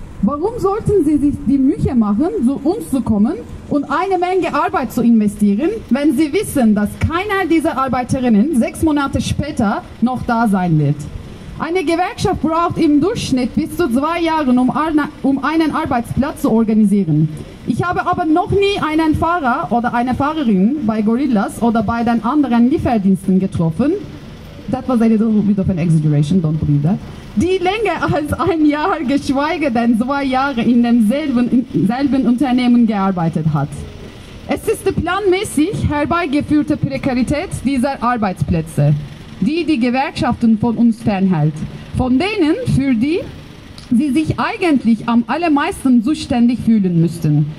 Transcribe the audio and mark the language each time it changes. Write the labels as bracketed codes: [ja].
[de] Warum sollten sie sich die Mühe machen, zu uns zu kommen und eine Menge Arbeit zu investieren, wenn sie wissen, dass keiner dieser Arbeiterinnen 6 Monate später noch da sein wird? Eine Gewerkschaft braucht im Durchschnitt bis zu 2 Jahre, um einen Arbeitsplatz zu organisieren. Ich habe aber noch nie einen Fahrer oder eine Fahrerin bei Gorillas oder bei den anderen Lieferdiensten getroffen. [en] That was a little bit of an exaggeration, don't believe that. [de] Die länger als 1 Jahr, geschweige denn 2 Jahre in demselben Unternehmen gearbeitet hat. Es ist die planmäßig herbeigeführte Prekarität dieser Arbeitsplätze, die Gewerkschaften von uns fernhält. Von denen, für die sie sich eigentlich am allermeisten zuständig fühlen müssten.